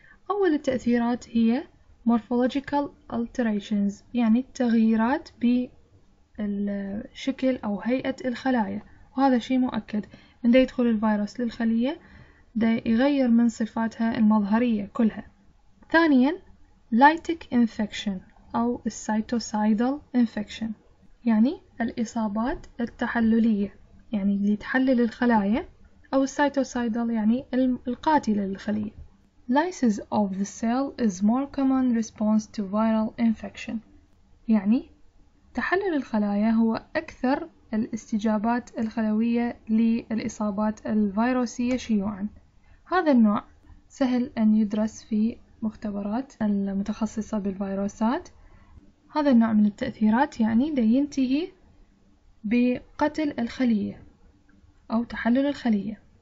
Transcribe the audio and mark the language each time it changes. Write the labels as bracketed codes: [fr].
[ar] أول التأثيرات هي [en] morphological alterations [ar] يعني التغييرات بالشكل أو هيئة الخلايا، وهذا شيء مؤكد من دي يدخل الفيروس للخلية دي يغير من صفاتها المظهرية كلها. ثانيا [en] lytic infection [ar] أو [en] cytocidal infection [ar] يعني الإصابات التحللية يعني اللي تحلل الخلايا، أو cytocidal يعني القاتل للخلية. [en] Lysis of the cell is more common response to viral infection. [ar] يعني تحلل الخلايا هو أكثر الاستجابات الخلوية للإصابات الفيروسية شيوعاً. هذا النوع سهل أن يدرس في مختبرات المتخصصة بالفيروسات. هذا النوع من التأثيرات يعني دا ينتهي بقتل الخلية أو تحلل الخلية.